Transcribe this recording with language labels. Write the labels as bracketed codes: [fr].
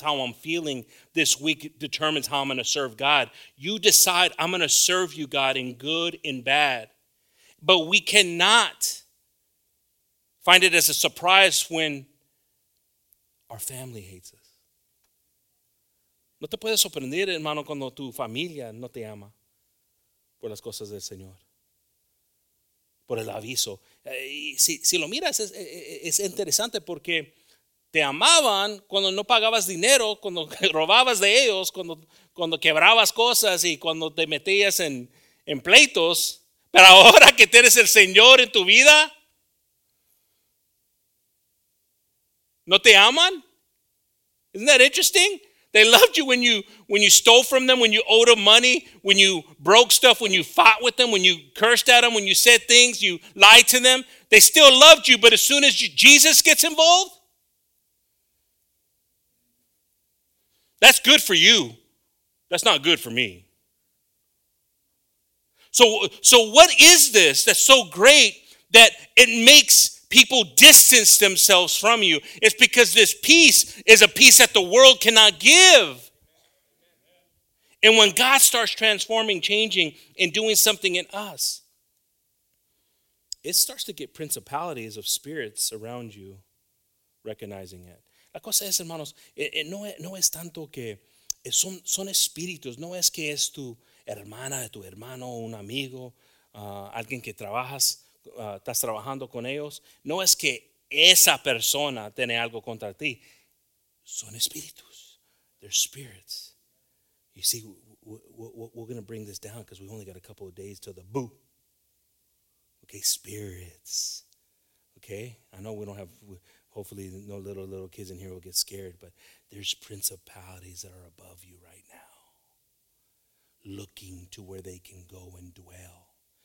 [en] How I'm feeling this week determines how I'm going to serve God. You decide, I'm going to serve you, God, in good and bad. But we cannot find it as a surprise when our family hates us. [es] No te puedes sorprender, hermano, cuando tu familia no te ama por las cosas del Señor, por el aviso. Y si lo miras, es interesante porque te amaban cuando no pagabas dinero, cuando robabas de ellos, cuando quebrabas cosas y cuando te metías en pleitos. Pero ahora que tienes el Señor en tu vida, ¿no te aman? [en] Isn't that interesting? They loved you when you stole from them, when you owed them money, when you broke stuff, when you fought with them, when you cursed at them, when you said things, you lied to them. They still loved you, but as soon as Jesus gets involved, that's good for you. That's not good for me. So what is this that's so great that it makes people distance themselves from you? It's because this peace is a peace that the world cannot give. And when God starts transforming, changing, and doing something in us, it starts to get principalities of spirits around you recognizing it. [es] La cosa es, hermanos, no es tanto que son espíritus, no es que es tu hermana, tu hermano, un amigo, alguien que trabajas, estás trabajando con ellos. No es que esa persona tiene algo contra ti. Son espíritus. [en] They're spirits. You see, we're going to bring this down because we only got a couple of days till the boo. Okay, spirits. Okay, I know we don't have, hopefully no little kids in here will get scared, but there's principalities that are above you right now, looking to where they can go and dwell.